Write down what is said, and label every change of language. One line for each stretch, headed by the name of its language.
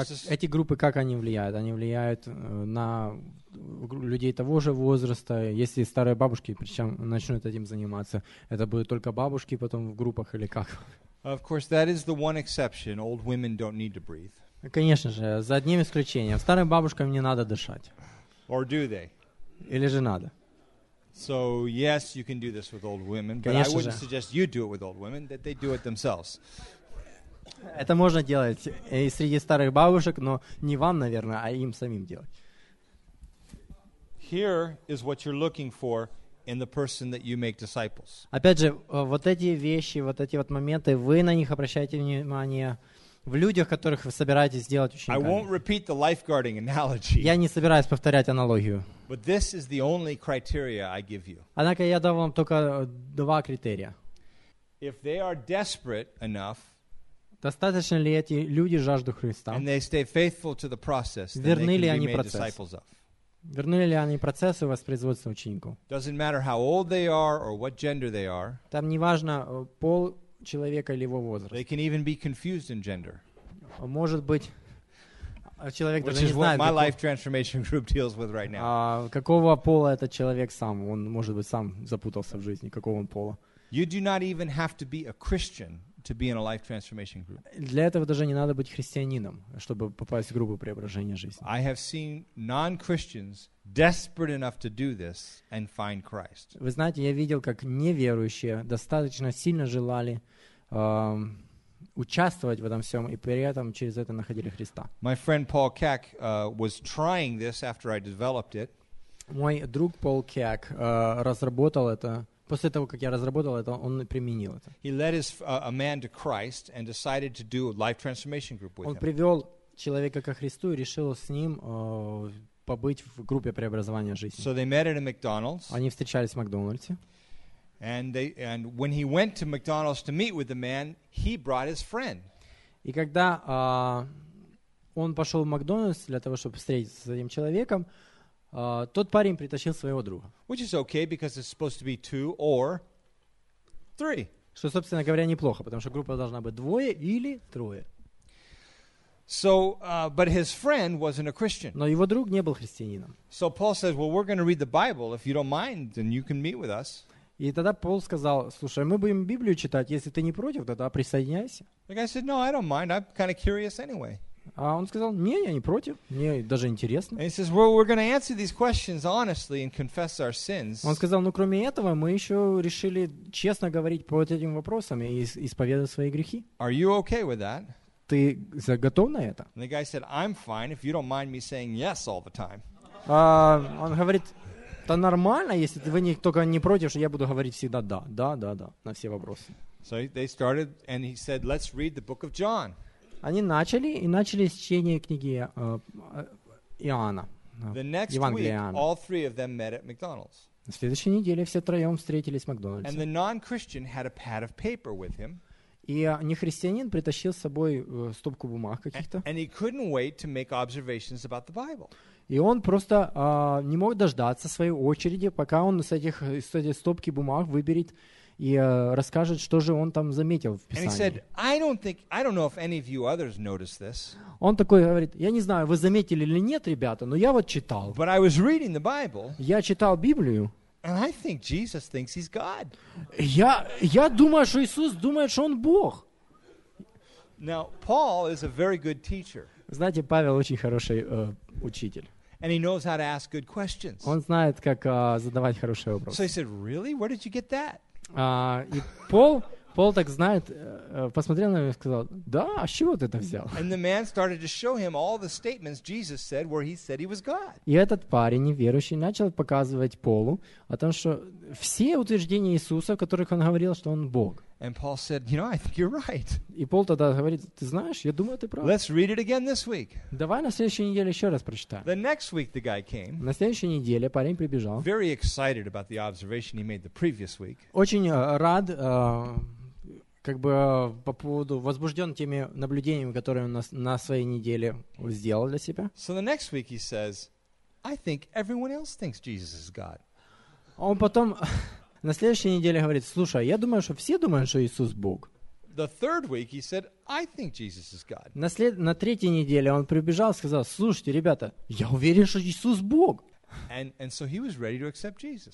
Russian: Эти группы, как они влияют? Они влияют на людей того же возраста. Если старые бабушки, причем, начнут этим заниматься, это будут только бабушки потом в группах или как?
English: Of course, that is the one exception. Old women don't need to breathe.
Russian: Конечно же, за одним исключением. Старым бабушкам не надо дышать.
English: Or do they?
Russian: Или же надо?
English: So, yes, you can do this with old women, but
Russian: конечно
English: I wouldn't
Russian: же.
English: Suggest you do it with old women, that they do it themselves.
Russian: Это можно делать и среди старых бабушек, но не вам, наверное, а им самим делать.
English: Here is what you're looking for in the person that you make disciples.
Russian: Опять же, вот эти вещи, вот эти вот моменты, вы на них обращаете внимание в людях, которых вы собираетесь сделать учениками.
English: I won't repeat the lifeguarding analogy.
Russian: Я не собираюсь повторять аналогию.
English: But this is the only criteria I give you.
Russian: Однако я дам вам только два критерия.
English: If they are desperate enough,
Russian: достаточно ли эти люди жажду Христа?
English: And they stay faithful to the process,
Russian: верны ли они процессу? Верны ли они процессу воспроизводства учеников?
English: Doesn't matter how old they are or what gender they are.
Russian: Там не важно пол человека или его возраст.
English: They can even be confused in gender.
Russian: Может быть, человек даже не знает.
English: Which is what my life transformation group deals with right now.
Russian: Какого пола этот человек сам? Он может быть сам запутался в жизни. Какого он пола?
English: You do not even have to be a Christian to be in a life transformation group.
Russian: Для этого даже не надо быть христианином, чтобы попасть в группу преображения жизни.
English: I have seen non-Christians desperate enough to do this and find Christ.
Russian: Вы знаете, я видел, как неверующие достаточно сильно желали участвовать в этом всем и при этом через это находили Христа.
English: My friend Paul Keck was trying this after I developed it.
Russian: Мой друг Пол Кек разработал это. После того, как я разработал это, он применил это.
English: He led a man to Christ and decided to do a life transformation group with him.
Russian: Он привел человека ко Христу и решил с ним побыть в группе преобразования жизни.
English: So they met at a McDonald's.
Russian: Они встречались в Макдональдсе.
English: And when he went to McDonald's to meet with the man, he brought his friend.
Russian: И когда он пошел в Макдональдс для того, чтобы встретиться с этим человеком, тот парень притащил своего друга.
English: Which is okay, because it's supposed to be two or three.
Russian: Что, собственно говоря, неплохо, потому что группа должна быть двое или трое.
English: So, but his friend wasn't a Christian.
Russian: Но его друг не был христианином.
English: So Paul says, well, we're going to read the Bible. If you don't mind, then you can meet with us.
Russian: И тогда Пол сказал, слушай, мы будем Библию читать. Если ты не против, тогда присоединяйся.
English: The guy said, no, I don't mind. I'm kind of curious anyway.
Russian: А он сказал, не, я не против, мне даже интересно.
English: And he says, well, we're going to answer these questions honestly and confess our sins.
Russian: Он сказал, ну кроме этого, мы еще решили честно говорить по этим вопросам и исповедовать свои грехи.
English: Are you okay with that?
Russian: Ты готов на это?
English: And the guy said, I'm fine if you don't mind me saying yes all the time.
Russian: Он говорит, это нормально, если вы не, только не против, что я буду говорить всегда да, да, да, да, на все вопросы.
English: So they started and he said, let's read the book of John.
Russian: Они начали и начали с чтения книги Иоанна.
English: The next
Russian: Евангелия
English: week,
Russian: Иоанна.
English: All three of them met at McDonald's.
Russian: На следующей неделе все втроем встретились в Макдональдсе.
English: And the non-Christian had a pad of paper with him.
Russian: И нехристианин притащил с собой стопку бумаг каких-то.
English: And he couldn't wait to make observations about the Bible.
Russian: И он просто не мог дождаться своей очереди, пока он с этих стопки бумаг выберет и расскажет, что же он там заметил в Писании.
English: And he said, I don't know if any of you others noticed this.
Russian: Он такой говорит, я не знаю, вы заметили или нет, ребята, но я вот читал.
English: But I was reading the Bible.
Russian: Я читал Библию.
English: And I think Jesus thinks he's God.
Russian: Я думаю, что Иисус думает, что он Бог.
English: Now, Paul is a very good teacher.
Russian: Знаете, Павел очень хороший учитель.
English: And he knows how to ask good questions.
Russian: Он знает, как задавать хорошие вопросы.
English: So he said, really? Where did you get that?
Russian: И Пол так знает, посмотрел на него и сказал, да, а с чего ты это взял?
English: And the man started to show him all the statements Jesus said where he said he was God.
Russian: И этот парень, неверующий, начал показывать Полу о том, что все утверждения Иисуса, в которых он говорил, что он Бог.
English: And Paul said, you know, I think you're right.
Russian: И Пол тогда говорит, ты знаешь, я думаю, ты прав.
English: Let's read it again this week.
Russian: Давай на следующей неделе еще раз прочитаем.
English: The next week the guy came.
Russian: На следующей неделе парень прибежал.
English: Very excited about the observation he made the previous week.
Russian: Очень рад, как бы по поводу, возбужден теми наблюдениями, которые он на своей неделе сделал для себя.
English: So the next week he says, I think everyone else thinks Jesus is God.
Russian: Он потом... На следующей неделе говорит, слушай, я думаю, что все думают, что Иисус Бог.
English: The third week he said, I think Jesus is God.
Russian: На третьей неделе он прибежал и сказал, слушайте, ребята, я уверен, что Иисус Бог.
English: And so he was ready to accept Jesus.